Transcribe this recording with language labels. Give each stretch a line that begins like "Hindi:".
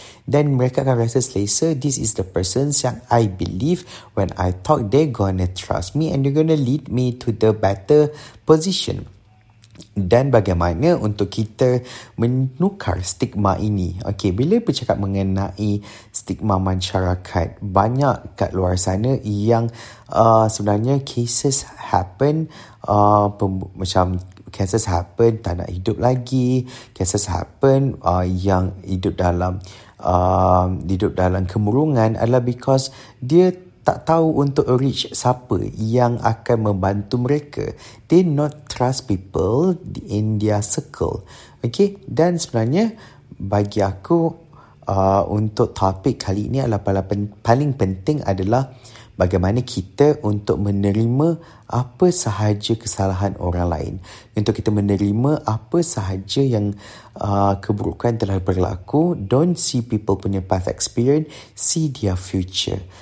English: Then
Malay: mereka akan rasa selesa,
English: this is the person
Malay: yang
English: I believe when I talk, they're gonna trust me and they're gonna lead me to the better position.
Malay: Dan bagaimana untuk kita menukar stigma ini? Okay, bila bercakap mengenai stigma masyarakat, banyak kat luar sana yang sebenarnya
English: cases happen,
Malay: macam cases happen tak nak hidup lagi, cases happen yang hidup dalam kemurungan adalah
English: because
Malay: dia tak tahu untuk
English: reach
Malay: siapa yang akan membantu mereka.
English: They not trust people in their circle.
Malay: Okay, dan sebenarnya bagi aku untuk topik kali ini adalah paling penting adalah bagaimana kita untuk menerima apa sahaja kesalahan orang lain. Untuk kita menerima apa sahaja yang keburukan telah berlaku.
English: Don't see people
Malay: punya
English: past experience, see their future.